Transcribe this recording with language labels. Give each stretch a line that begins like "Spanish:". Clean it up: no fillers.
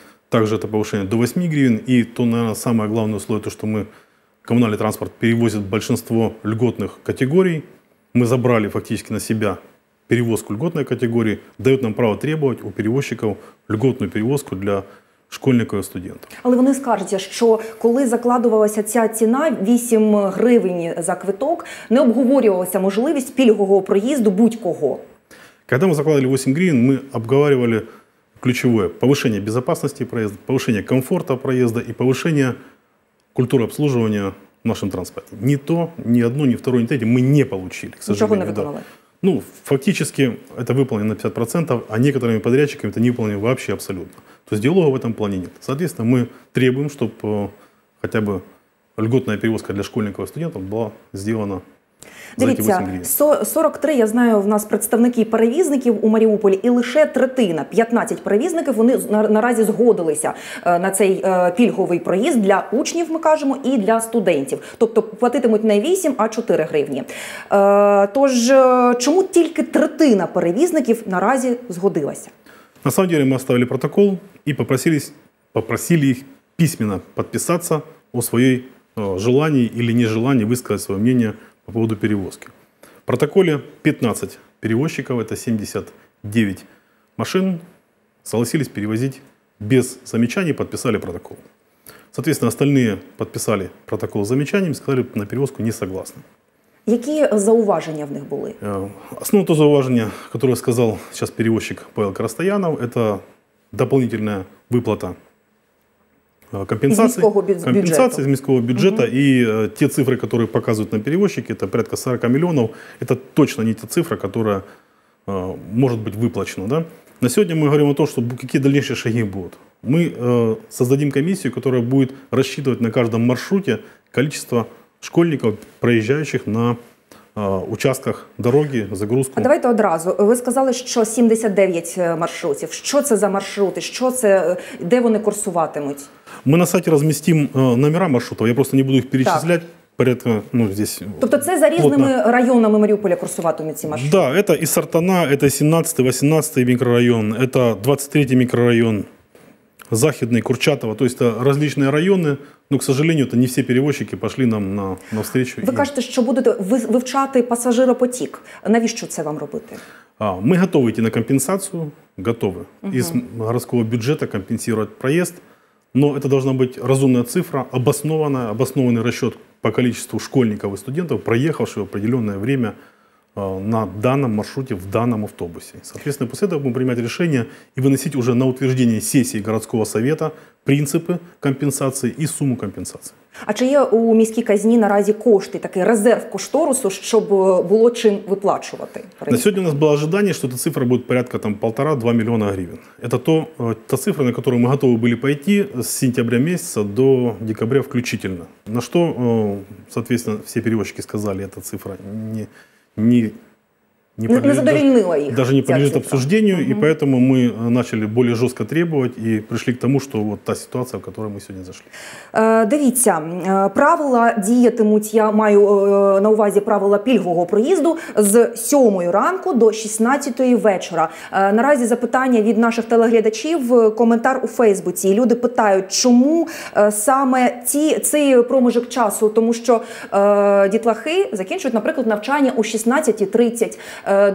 Russian: Также это повышение до 8 гривен. И то, наверное, самое главное условие, то, что мы коммунальный транспорт перевозит большинство льготных категорий. Мы забрали фактически на себя перевозку льготной категории, дают нам право требовать у перевозчиков льготную перевозку для школьников и студентов.
Ukrainian: Але вони скажуть, що коли закладувалася ця ціна 8 гривень за квиток, не обговорювалася можливість пільгового проїзду будь-кого.
Russian: Когда мы закладывали 8 гривен, мы обговаривали ключевое – повышение безопасности проезда, повышение комфорта проезда и повышение культуры обслуживания в нашем транспорте. Ни то, ни одно, ни второе, ни третье мы не получили, к сожалению. Ничего не выполнили? Да. Ну, фактически это выполнено на 50%, а некоторыми подрядчиками это не выполнено вообще абсолютно. То есть диалога в этом плане нет. Соответственно, мы требуем, чтобы хотя бы льготная перевозка для школьников и студентов была сделана.
Ukrainian: Дивіться, 43, я знаю, в нас представники перевізників у Маріуполі, і лише третина, 15 перевізників, вони наразі згодилися на цей пільговий проїзд для учнів, ми кажемо, і для студентів. Тобто платитимуть не 8, а 4 гривні. Тож, чому тільки третина перевізників наразі згодилася?
Russian: На самом деле
Ukrainian: ми оставили протокол і попросили їх письменно підписатися у своїй желанні или нежеланні висказати своє мнення по поводу перевозки.
Russian: В протоколе 15 перевозчиков, это 79 машин, согласились перевозить без замечаний, подписали протокол. Соответственно, остальные подписали протокол с замечаниями, сказали, на перевозку не согласны. Какие зауважения в них были? Основное то зауважение, которое сказал сейчас перевозчик Павел Коростоянов, это дополнительная выплата компенсации, компенсации из Миского бюджета, угу. И те цифры, которые показывают нам перевозчики, это порядка 40 миллионов, это точно не та цифра, которая может быть выплачена. Да? На сегодня мы говорим о том, что какие дальнейшие шаги будут. Мы создадим комиссию, которая будет рассчитывать на каждом маршруте количество школьников, проезжающих на участках дороги, загрузку.
Ukrainian: А давайте одразу. Ви сказали, що 79 маршрутів. Що це за маршрути? Що це, де вони курсуватимуть? Ми на сайті розмістимо номера маршрутів. Я просто не буду їх перечислять. Так.
Russian: Порядка, ну, здесь.
Ukrainian: Тобто це за різними плотно районами Маріуполя курсуватимуть ці маршрути? Так, да, це і Сартана, це 17-й, 18-й мікрорайон, це 23-й мікрорайон, Західний, Курчатова. Тобто різні райони.
Russian: Ну, к сожалению, это не все перевозчики пошли нам на встречу. Вы кажете, что будете
Ukrainian: вивчати пассажиропотік. Навіщо це вам робити?
Russian: Мы готовы идти на компенсацию, готовы. Угу. Из городского бюджета компенсировать проезд. Но это должна быть разумная цифра, обоснованная, обоснованный расчет по количеству школьников и студентов, проехавших определенное время на данном маршруте, в данном автобусе. Соответственно, после этого будем принимать решение и выносить уже на утверждение сессии городского совета принципы компенсации и сумму компенсации.
Ukrainian: А чи є у міській казні наразі кошти, такий резерв кошторису, щоб було чим виплачувати? На сьогодні у нас було очікування, що ця цифра буде порядка 1,5-2 мільйона гривень. Це та цифра, на яку ми готові були
Russian: пойти з сентября місяця до декабря включительно.
Ukrainian: На що, відповідно, всі перевозчики сказали, ця цифра не задовольнила їх.
Russian: Даже не подлежит обсуждению, угу. И поэтому мы начали более жестко требовать и пришли к тому, что вот та ситуация, в которую мы сегодня зашли.
Ukrainian: Дивіться, правила діятимуть, я маю на увазі правила пільгового проїзду, з 7 ранку до 16 вечора. Наразі запитання від наших телеглядачів, коментар у Фейсбуці. Люди питають, чому саме цей проміжок часу, тому що дітлахи закінчують, наприклад, навчання у 16.30.